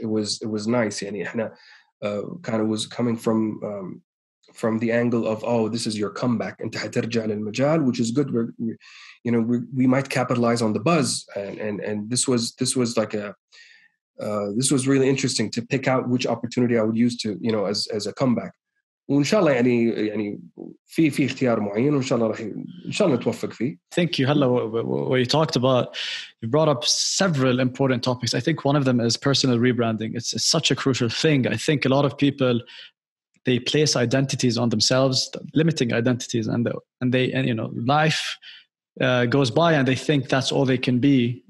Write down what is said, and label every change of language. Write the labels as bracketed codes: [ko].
[en] It was nice. [ar] يعني إحنا [en] kind of was coming from the angle of, oh, this is your comeback. [ar] أنت حترجع للمجال, [en] which is good. We might capitalize on the buzz, and this was like this was really interesting to pick out which opportunity I would use to, you know, as a comeback. [ar] Inshallah, يعني في اختيار معين, إن شاء الله نتوفق فيه. [en] Thank you. Hello, what you talked about, you brought up several important topics. I think one of them is personal rebranding. It's such a crucial thing. I think a lot of people, they place identities on themselves, limiting identities, and life goes by and they think that's all they can be.